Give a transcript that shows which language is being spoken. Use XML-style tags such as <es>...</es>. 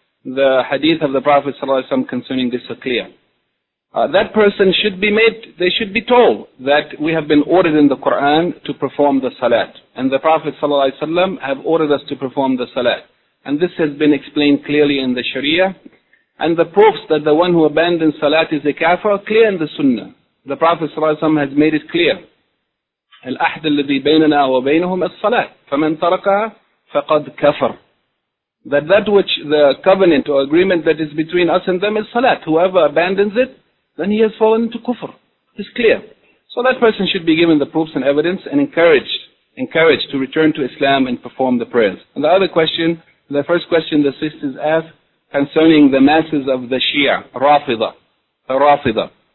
<en>The hadith of the Prophet ﷺ concerning this are clear. That person should be made, they should be told that we have been ordered in the Quran to perform the salat. And the Prophet ﷺ have ordered us to perform the salat. And this has been explained clearly in the Sharia. And the proofs that the one who abandons salat is a kafir are clear in the Sunnah. The Prophet ﷺ has made it clear.</en> <ar>الأحد الذي بيننا وبينهم الصلاة فمن تركها فقد كفر.</ar> <en>That which the covenant or agreement that is between us and them is salat. Whoever abandons it, then he has fallen into kufr. It's clear. So that person should be given the proofs and evidence and encouraged to return to Islam and perform the prayers. And the other question, the first question the sisters asked concerning the masses of the Shia, Rafida. The Rafida.</en>